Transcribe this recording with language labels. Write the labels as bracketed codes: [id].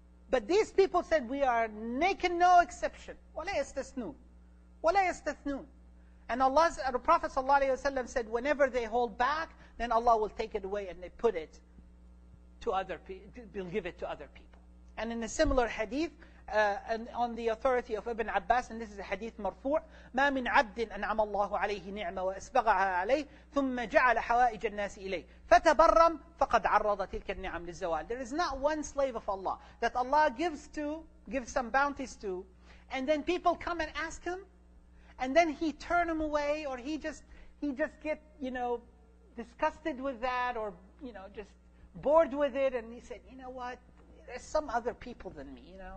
[en] But these people said, we are making no exception. [ar] وَلَا يَسْتَثْنُونَ وَلَا يَسْتَثْنُونَ. [en] And the Prophet ﷺ said, whenever they hold back, then Allah will take it away and they put it to other people, they'll give it to other people. And in a similar hadith, and on the authority of Ibn Abbas, and this is a hadith marfu', [ar] مَا مِنْ عَبْدٍ أَنْعَمَ اللَّهُ عَلَيْهِ نِعْمَ وَأَسْبَغَهَا عَلَيْهِ ثُمَّ جَعَلَ حَوَائِجَ النَّاسِ إِلَيْهِ فَتَبَرَّمْ فَقَدْ عَرَّضَ تِلْكَ النِّعَمْ لِلزَّوَالِ. [en] There is not one slave of Allah that Allah gives some bounties to, and then people come and ask him, and then he turn him away, or he just get, you know, disgusted with that, or, you know, just bored with it. And he said, you know what, there's some other people than me, you know.